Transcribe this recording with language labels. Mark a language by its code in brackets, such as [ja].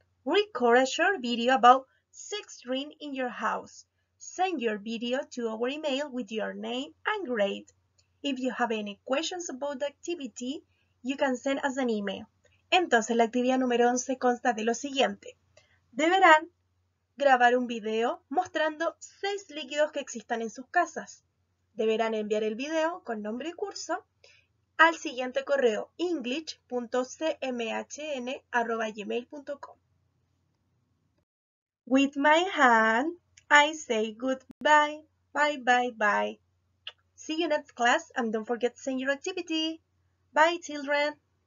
[en] Record a short video about six dreams in your house. Send your video to our email with your name and grade. If you have any questions about the activity, you can send us an email. [es] Entonces, la actividad número 11 consta de lo siguiente. Deberán grabar un video mostrando seis líquidos que existan en sus casas. Deberán enviar el video con nombre y curso al siguiente correo english.cmhn@gmail.com. [en] With my hand, I say goodbye, bye bye bye. See you next class and don't forget to send your activity. Bye children.